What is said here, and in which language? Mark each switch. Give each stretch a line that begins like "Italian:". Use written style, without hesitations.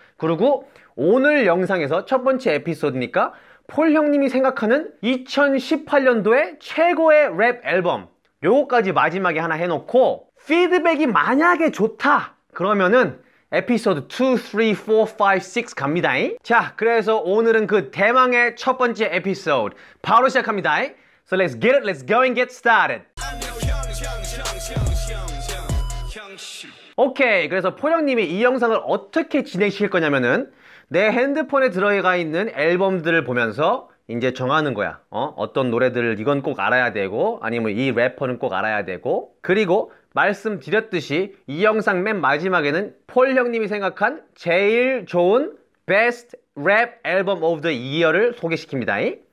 Korean: 그리고 오늘 영상에서 첫 번째 에피소드니까 폴 형님이 생각하는 2018년도의 최고의 랩 앨범 요거까지 마지막에 하나 해놓고 피드백이 만약에 좋다 그러면은 에피소드 2, 3, 4, 5, 6 갑니다잉. 자, 그래서 오늘은 그 대망의 첫 번째 에피소드 바로 시작합니다잉.
English: So let's get it, let's go and get started.
Korean: 오케이, 그래서 폴 형님이 이 영상을 어떻게 진행시킬 거냐면은 내 핸드폰에 들어가 있는 앨범들을 보면서 이제 정하는 거야. 어떤 노래들 이건 꼭 알아야 되고, 아니면 이 래퍼는 꼭 알아야 되고, 그리고 말씀드렸듯이 이 영상 맨 마지막에는 폴 형님이 생각한 제일 좋은 베스트 랩 앨범 오브 더 이어를 소개시킵니다.